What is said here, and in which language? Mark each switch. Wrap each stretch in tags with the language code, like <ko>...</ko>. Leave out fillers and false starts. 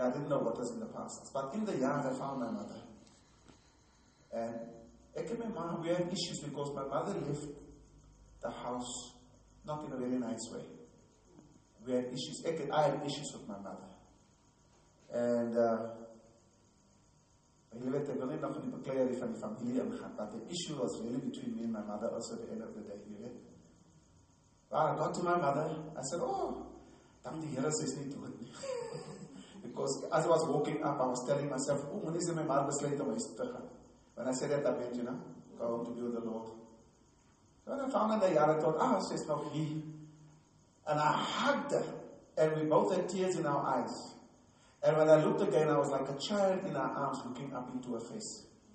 <en>I didn't know what was in the passes. But in the yard, I found my mother. And I came my ma, we had issues because my mother left the house not in a very nice way. We had issues. I had issues with my mother. And but the issue was really between me and my mother also at the end of the day. Well, I got to my mother. I said, oh,</en> <af>dank die Here sy is nie dood nie.</af> <en>Because as I was walking up, I was telling myself, oh, when is my mother besluit om huis te gaan? When I said that, I meant, you know, go home to be with the Lord. When I found her in the yard, I thought, ah, she's not here. And I hugged her. And we both had tears in our eyes. And when I looked again, I was like a child in her arms looking up into her face.</en>